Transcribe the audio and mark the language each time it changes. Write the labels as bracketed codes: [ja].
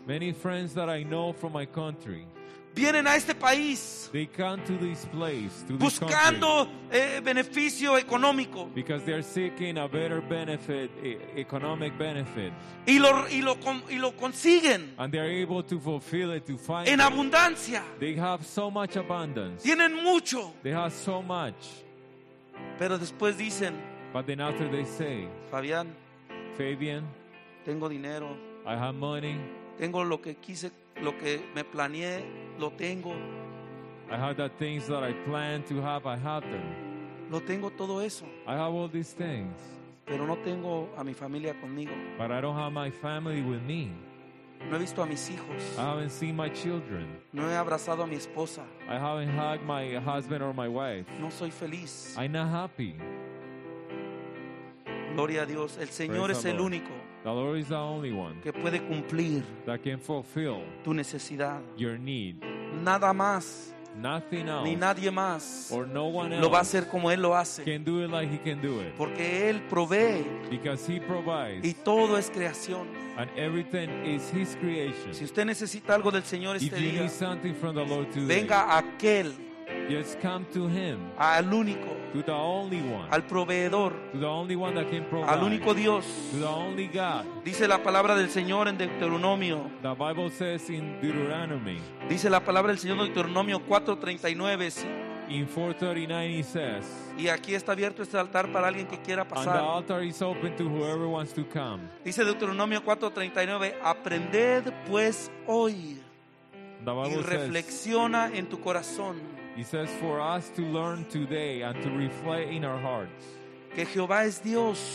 [en] many friends that I know from my country, [es] vienen a este país, [en] they come to this place, to [es] buscando [en] this country, [es] beneficio económico, [en] because they're seeking a better benefit, economic benefit, [es] y lo consiguen, [en] and they're able to fulfill it, to find [es] en [en] it, [es] abundancia. [en] They have so much abundance, [es] tienen mucho, [en] they have so much, [es] pero después dicen, [en] but then after they say, [es] Fabián, [en] Fabian, [es] tengo dinero, [en] I have money, [es] tengo lo que quise, lo que me planeé, lo tengo. [en] I have the things that I plan to have, I have them. [es] Lo tengo todo eso. [en] I have all these things. [es] Pero no tengo a mi familia conmigo. [en] But I don't have my family with me. [es] No he visto a mis hijos. [en] I haven't seen my children. [es] No he abrazado a mi esposa. [en] I haven't hugged my husband or my wife. [es] No soy feliz. [en] I'm not happy. [es] Gloria a Dios. El Señor [en] Praise [es] es el único. [en] The Lord is the only one [es] que puede cumplir [en] that can fulfill [es] tu necesidad. [en] Your need. [es] Nada más. [en] Nothing else. [es] Ni nadie más. [en] Or no one else [es] lo va a hacer como Él lo hace. [en] Can do it like He can do it. [es] Porque Él provee. [en] Because He provides. [es] Y todo es creación. [en] And everything is His creation. [es] Si usted necesita algo del Señor este día, [en] if you need something from the Lord today, [es] venga a aquel. [en] Just come to Him. [es] Al único. [en] To the only one. [es] Al proveedor. [en] To the only one that can provide. [es] Al único Dios. [en] To the only God. [es] Dice la palabra del Señor en Deuteronomio. [en] The Bible says in Deuteronomy. [es] Dice la palabra del Señor en Deuteronomio 4:39. [en] In 4:39 it says. [es] Y aquí está abierto este altar para alguien que quiera pasar. [en] And the altar is open to whoever wants to come. [es] Dice Deuteronomio 4:39, aprended pues hoy. [en] The Bible [es] y reflexiona [en] says, [es] en tu corazón. [en] He says for us to learn today and to reflect in our hearts [es] que Jehová es Dios,